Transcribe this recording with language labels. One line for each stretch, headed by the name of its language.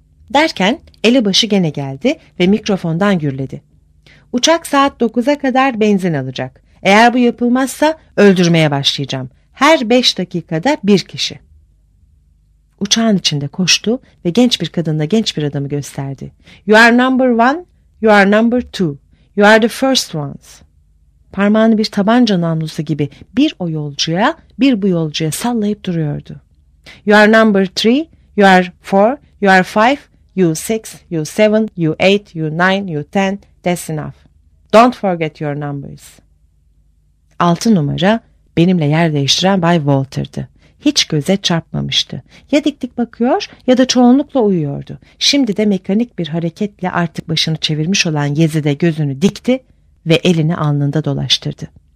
Turkish: Derken elebaşı gene geldi ve mikrofondan gürledi. Uçak saat 9'a kadar benzin alacak. Eğer bu yapılmazsa öldürmeye başlayacağım. Her 5 dakikada bir kişi. Uçağın içinde koştu ve genç bir kadınla genç bir adamı gösterdi.
English: You are number one, you are number two, you are the first ones.
Turkish: Parmağını bir tabanca namlusu gibi bir o yolcuya bir bu yolcuya sallayıp duruyordu.
English: You are number three, you are four, you are five, you six, you seven, you eight, you nine, you ten, that's enough. Don't forget your numbers.
Turkish: Altı numara benimle yer değiştiren Bay Walter'dı. Hiç göze çarpmamıştı. Ya dik dik bakıyor ya da çoğunlukla uyuyordu. Şimdi de mekanik bir hareketle artık başını çevirmiş olan Yezid'e gözünü dikti ve elini alnında dolaştırdı.